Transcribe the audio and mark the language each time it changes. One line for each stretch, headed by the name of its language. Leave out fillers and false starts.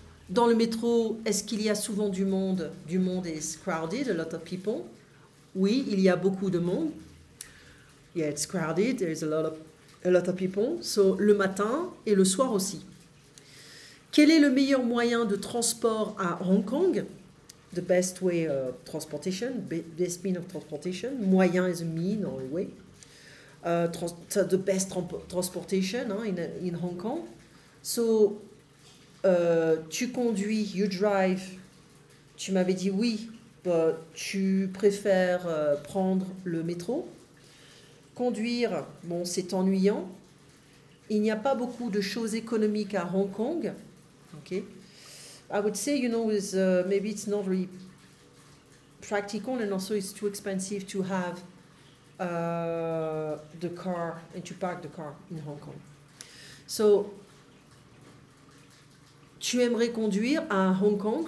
French: Dans le métro, est-ce qu'il y a souvent du monde? Du monde
English: is crowded, a lot of people.
French: Oui, il y a beaucoup de monde.
English: Yeah, it's crowded, there's a lot of people. So
French: le matin et le soir aussi. Quel est le meilleur moyen de transport à Hong Kong?
English: The best way of transportation, best means of transportation. Moyen is a mean or a way. The best transportation in Hong Kong. So,
French: tu conduis,
English: you drive.
French: Tu m'avais dit oui,
English: but
French: tu préfères prendre le métro. Conduire, bon, c'est ennuyant. Il n'y a pas beaucoup de choses économiques à Hong Kong.
English: Okay. I would say, you know, with, maybe it's not really practical and also it's too expensive to have the car and to park the car in Hong Kong. So,
French: tu aimerais conduire à Hong Kong.